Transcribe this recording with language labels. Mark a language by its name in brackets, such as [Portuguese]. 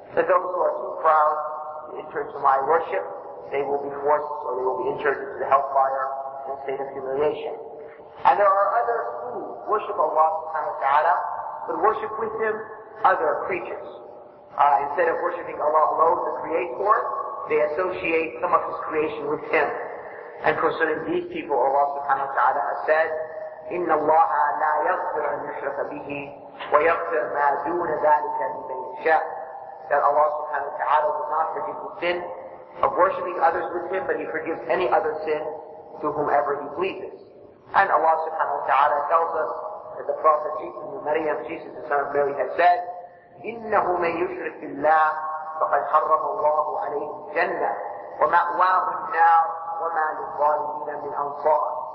[English] That those who are too proud to enter into my worship, they will be forced, or they will be entered into the hellfire in a state of humiliation. And there are others who worship Allah subhanahu wa ta'ala, but worship with Him other creatures. Instead of worshiping Allah alone, the Creator, they associate some of His creation with Him. And concerning these people, Allah subhanahu wa ta'ala has said, [Arabic] إِنَّ اللَّهَ لَا يَغْفِرْ أَنْ يُشْرَكَ بِهِ وَيَغْفِرْ مَا دُونَ ذَلِكَ لِمَنْ يَشَاءُ. [English] That Allah subhanahu wa ta'ala will not forgive the sin of worshipping others with Him, but He forgives any other sin to whomever He pleases. And Allah subhanahu wa ta'ala tells us that the Prophet Jesus, the son of Mary, has said, [Arabic] إِنَّهُ مَنْ يُشْرِكْ بِاللَّهِ فَقَدْ حَرَّمَ اللَّهُ عَلَيْهِ الْجَنَّةِ وَمَأْوَاهُ النَّارُ وَمَا لِلظَّالِمِينَ مِنْ أَنْصَارٍ.